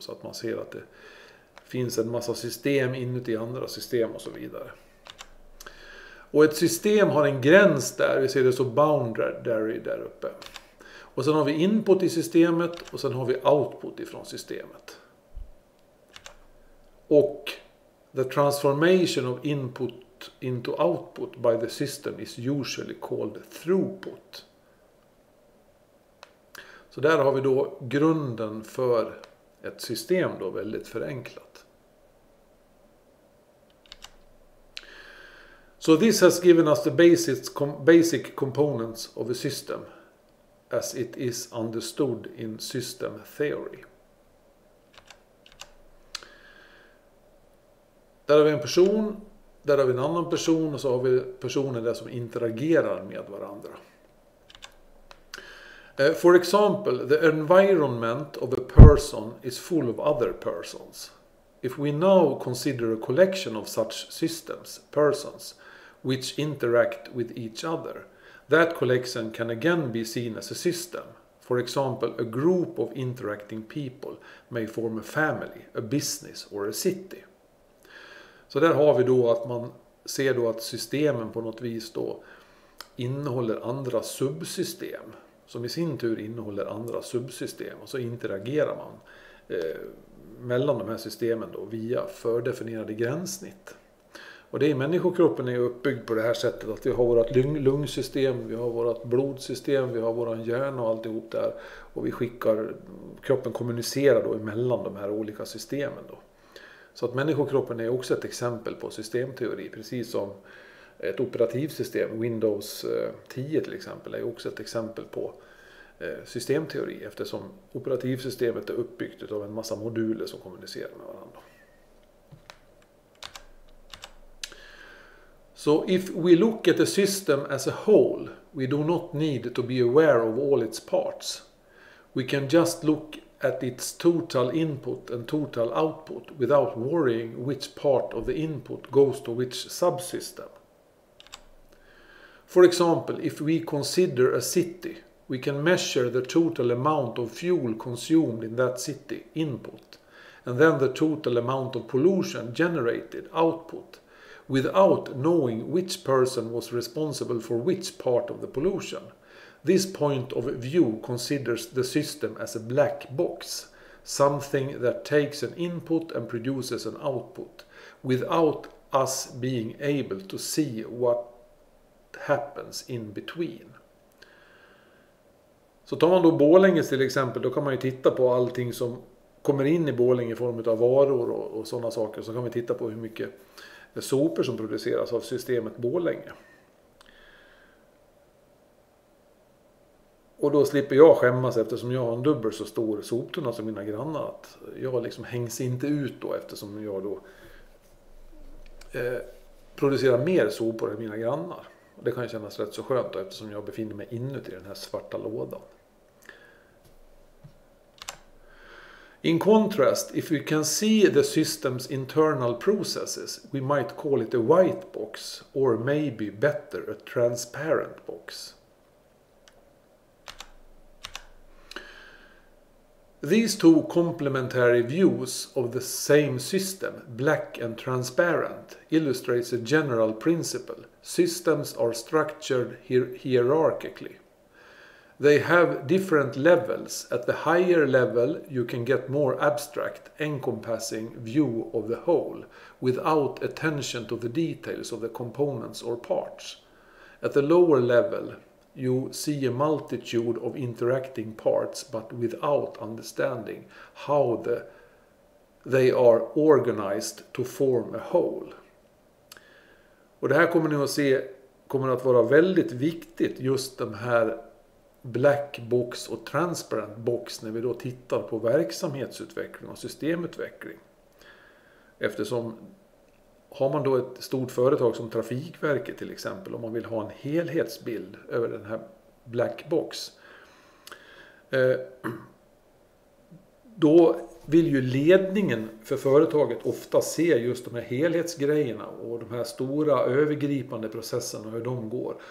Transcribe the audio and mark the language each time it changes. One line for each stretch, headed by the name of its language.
Swedish: Så att man ser att det finns en massa system inuti andra system och så vidare. Och ett system har en gräns där, vi ser det så boundary där uppe. Och sen har vi input i systemet och sen har vi output ifrån systemet. Och
English: the transformation of input into output by the system is usually called throughput.
Swedish: Så där har vi då grunden för ett system då väldigt förenklat.
English: So this has given us the basic components of a system as it is understood in system theory.
Swedish: Där har vi en person, där har vi en annan person och så har vi personer där som interagerar med varandra.
English: For example, the environment of a person is full of other persons. If we now consider a collection of such systems, persons, which interact with each other, that collection can again be seen as a system. For example, a group of interacting people may form a family, a business or a city.
Swedish: Så där har vi då att man ser då att systemen på något vis då innehåller andra subsystem som i sin tur innehåller andra subsystem och så interagerar man mellan de här systemen då via fördefinierade gränssnitt. Och det är människokroppen är uppbyggd på det här sättet att vi har vårt lungsystem, vi har vårt blodsystem, vi har våran hjärna och alltihop där och vi skickar, kroppen kommunicerar då emellan de här olika systemen då. Så att människokroppen är också ett exempel på systemteori, precis som ett operativsystem, Windows 10 till exempel, är också ett exempel på systemteori eftersom operativsystemet är uppbyggt av en massa moduler som kommunicerar med varandra.
English: So if we look at the system as a whole, we do not need to be aware of all its parts. We can just look at its total input and total output without worrying which part of the input goes to which subsystem. For example, if we consider a city, We can measure the total amount of fuel consumed in that city, input, and then the total amount of pollution generated, output, without knowing which person was responsible for which part of the pollution. This point of view considers the system as a black box, something that takes an input and produces an output, without us being able to see what happens in between.
Swedish: Så tar man då Borlänge till exempel, då kan man ju titta på allting som kommer in i Borlänge i form av varor och sådana saker. Så kan vi titta på hur mycket sopor som produceras av systemet Borlänge. Och då slipper jag skämmas eftersom jag har en dubbel så stor soptunna som mina grannar. Att jag liksom hängs inte ut då eftersom jag då producerar mer sopor än mina grannar. Och det kan ju kännas rätt så skönt då, eftersom jag befinner mig inuti den här svarta lådan.
English: In contrast, if we can see the system's internal processes, we might call it a white box, or maybe better, a transparent box. These two complementary views of the same system, black and transparent, illustrates a general principle. Systems are structured hierarchically. They have different levels. At the higher level, you can get more abstract, encompassing view of the whole, without attention to the details of the components or parts. At the lower level, you see a multitude of interacting parts, but without understanding how they are organized to form a whole.
Swedish: Och det här kommer ni att se, kommer att vara väldigt viktigt, just de här black box och transparent box, när vi då tittar på verksamhetsutveckling och systemutveckling. Eftersom har man då ett stort företag som Trafikverket till exempel, om man vill ha en helhetsbild över den här black box, då vill ju ledningen för företaget ofta se just de här helhetsgrejerna och de här stora övergripande processerna och hur de går.